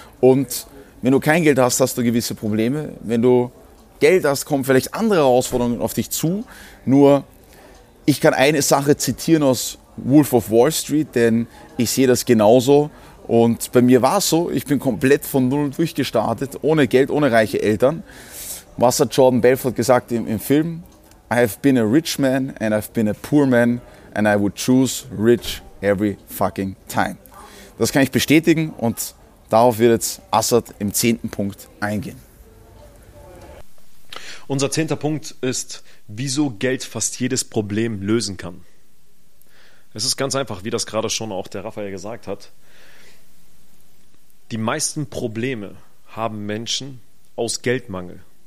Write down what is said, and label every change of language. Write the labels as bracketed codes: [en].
[de] Und wenn du kein Geld hast, hast du gewisse Probleme. Wenn du Geld hast, kommen vielleicht andere Herausforderungen auf dich zu. Nur, ich kann eine Sache zitieren aus Wolf of Wall Street, denn ich sehe das genauso. Und bei mir war es so, ich bin komplett von Null durchgestartet, ohne Geld, ohne reiche Eltern. Was hat Jordan Belfort gesagt im Film? [en] I have been a rich man and I've been a poor man and I would choose rich every fucking time. [de] Das kann ich bestätigen und darauf wird jetzt Assad im 10. Punkt eingehen. Unser 10. Punkt ist, wieso Geld fast jedes Problem lösen kann. Es ist ganz einfach, wie das gerade schon auch der Raphael gesagt hat. Die meisten Probleme haben Menschen aus Geldmangel.